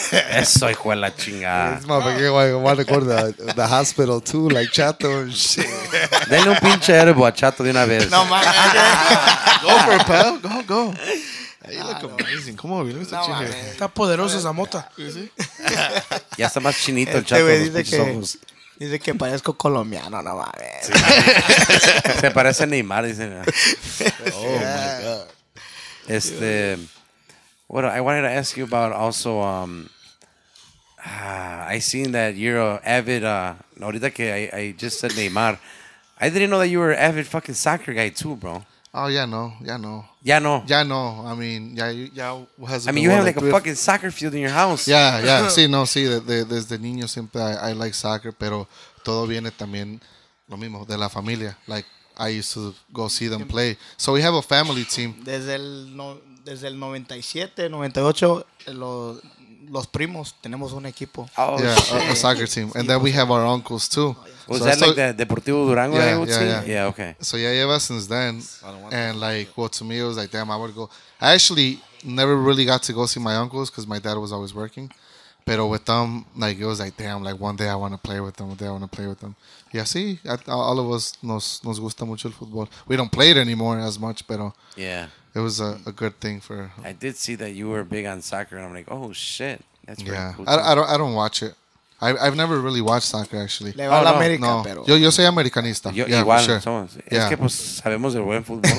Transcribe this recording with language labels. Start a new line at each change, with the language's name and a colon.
Spanish: Eso, hijo de la chingada.
English: It's my fucking way. I want to go to the hospital, too, like Chato and shit.
Spanish: Denle un pinche herbo a Chato de una vez.
English: No, man. Go for it, pal. Go, go. You look amazing. Come on, baby. Look at that chin here.
Spanish: Está poderoso esa mota. Ya está más chinito el Chato de los pinches ojos. Dice que parezco colombiano, no mames. Sí, se parece a Neymar, dice.
English: Oh, yeah. My God. Este, well, I wanted to ask you about also, I seen that you're an avid,
Spanish: ahorita que
English: I just said Neymar, I didn't know that you were an avid fucking soccer guy too, bro. Oh, yeah, no. Yeah, no. Yeah, no. I mean, yeah. I mean, you have like a fucking soccer field in your house. Yeah, yeah.
Spanish: Sí, no, sí. Desde niño siempre
English: I like soccer,
Spanish: pero todo viene también lo mismo de la familia.
English: Like, I used to go see them play. So we have a family team.
Spanish: Desde el 97, 98, los primos tenemos un equipo.
English: Oh, yeah, shit. A soccer team. And then we have our uncles too. Was that like the Deportivo Durango? Yeah, okay. So yeah, ever since then. And like, well, to me, it was like, damn, I would go. I actually never really got to go see my uncles because my dad was always working. But with them, like, it was like, damn, like, one day I want to play with them. One day I want to play with them. Yeah, sí. All of us
Spanish: nos gusta mucho el fútbol.
English: We don't play it anymore as much, pero yeah, it was a good thing for. I did see that you were big on soccer, and I'm like, oh, shit. That's yeah. Cool. I don't watch it. I've never really watched soccer, actually.
Spanish: Le va a la América, no. Pero... Yo soy americanista. Yo,
English: yeah,
Spanish: igual,
English: sure.
Spanish: Somos. Yeah. Es que, pues, sabemos del buen fútbol.